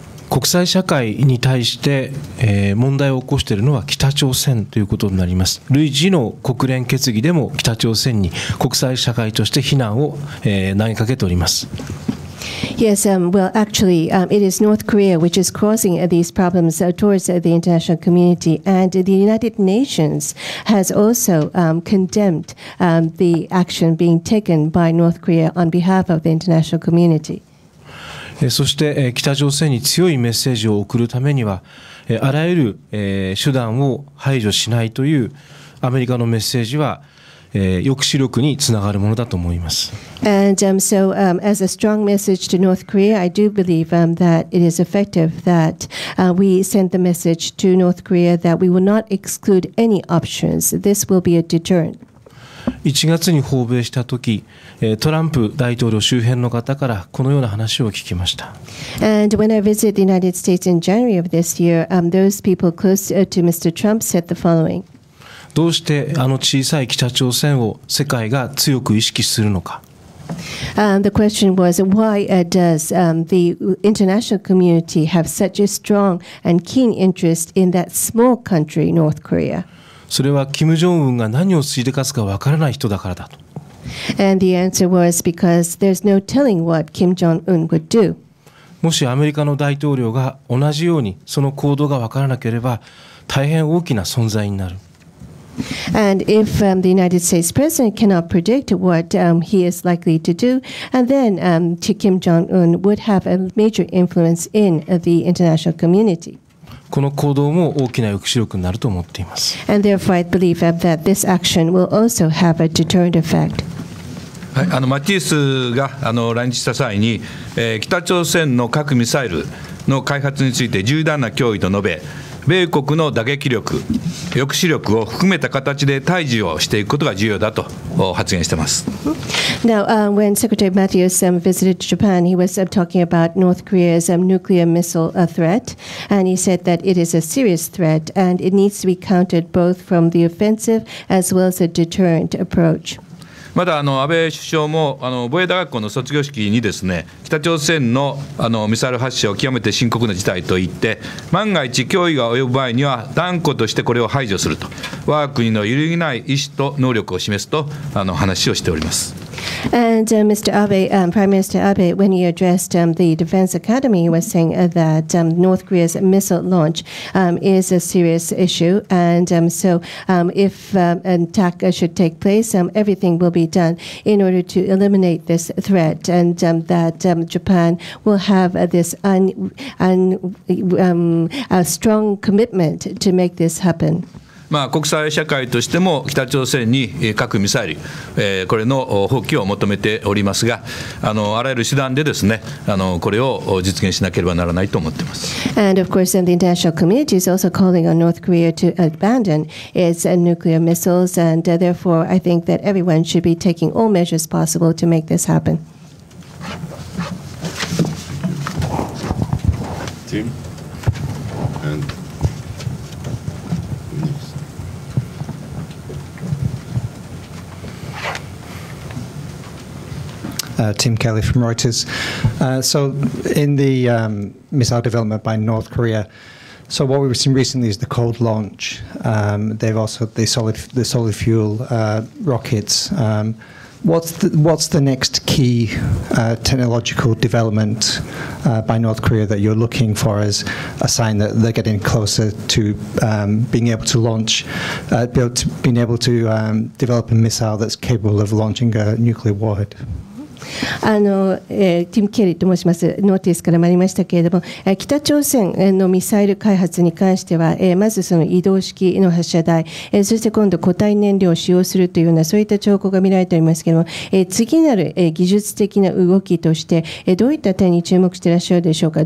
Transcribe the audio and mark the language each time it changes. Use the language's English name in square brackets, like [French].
[Japanese] 国際社会に対して問題を起こしているのは北朝鮮ということになります。類似の国連決議でも北朝鮮に国際社会として非難を投げかけております。 [English] Yes, well, actually, it is North Korea which is causing these problems towards the international community, and the United Nations has also condemned the action being taken by North Korea on behalf of the international community. [Japanese] そして北朝鮮に強いメッセージを送るためには、あらゆる手段を排除しないというアメリカのメッセージは、抑止力につながるものだと思います。 [English] And so, as a strong message to North Korea, I do believe that it is effective that we send the message to North Korea that we will not exclude any options. This will be a deterrent. [Japanese] 1月に訪米したとき、トランプ大統領周辺の方からこのような話を聞きました。 [English] And when I visited the United States in January of this year, those people close to Mr. Trump said the following. [Japanese] どうしてあの小さい北朝鮮を世界が強く意識するのか。 [English] The question was, why does the international community have such a strong and keen interest in that small country, North Korea? [Japanese] それは金正恩が何をしでかすかわからない人だからだと。 [English] And the answer was because there's no telling what Kim Jong-un would do. [Japanese] もしアメリカの大統領が同じようにその行動がわからなければ、大変大きな存在になる。 [English] And if the United States President cannot predict what he is likely to do, and then Kim Jong-un would have a major influence in the international community. [Japanese] この行動も大きな抑止力になると思っています。 [English] And therefore I believe that this action will also have a deterrent effect. [Japanese] はい、マティスが来日した際に、北朝鮮の核ミサイルの開発について重大な脅威と述べ、米国の打撃力、抑止力を含めた形で対峙をしていくことが重要だと発言しています。 [English] Now, when Secretary Mattis visited Japan, he was talking about North Korea's nuclear missile threat, and he said that it is a serious threat, and it needs to be countered both from the offensive as well as a deterrent approach. [Japanese] また安倍首相も防衛大学校の卒業式にですね、北朝鮮のミサイル発射を極めて深刻な事態と言って、万が一脅威が及ぶ場合には断固としてこれを排除すると、我が国の揺るぎない意思と能力を示すと話をしております。 [English] And Mr. Abe, Prime Minister Abe, when he addressed the Defense Academy, he was saying that North Korea's missile launch is a serious issue. And if an attack should take place, everything will be done in order to eliminate this threat, and that Japan will have this a strong commitment to make this happen. [Japanese] 国際社会としても北朝鮮に核ミサイル、これの放棄を求めておりますが、あらゆる手段でですね、これを実現しなければならないと思っています。 [English] And of course, the international community is also calling on North Korea to abandon its nuclear missiles, and therefore I think that everyone should be taking all measures possible to make this happen. Team and Tim Kelly from Reuters. So in the missile development by North Korea, so what we've seen recently is the cold launch. They've also the solid fuel rockets. What's the next key technological development by North Korea that you're looking for as a sign that they're getting closer to being able to launch, being able to develop a missile that's capable of launching a nuclear warhead? [Japanese] ティム・ケリーと申します。ノーティスからもありましたけれども、北朝鮮のミサイル開発に関しては、まずその移動式の発射台、そして今度固体燃料を使用するというような、そういった兆候が見られておりますけれども、次なる技術的な動きとして、どういった点に注目していらっしゃるでしょうか。